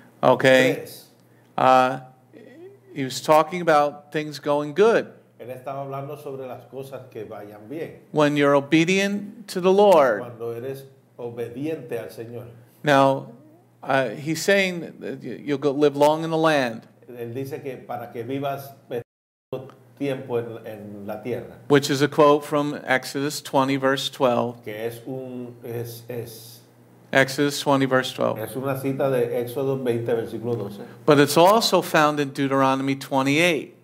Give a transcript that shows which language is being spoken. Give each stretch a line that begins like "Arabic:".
English: okay, he was talking about things going good.
Spanish: Él estaba hablando sobre las cosas que vayan bien.
English: When you're obedient to the Lord.
Spanish: Cuando eres obediente al Señor.
English: Now, he's saying that you'll go live long in the land.
Spanish: Él dice que para que vivas tiempo en la tierra.
English: Which is a quote from Exodus 20, verse 12.
Spanish: Que es un... Es
English: Exodus 20, verse 12.
Spanish: Es una cita de Éxodo 20, versículo 12.
English: But it's also found in Deuteronomy 28.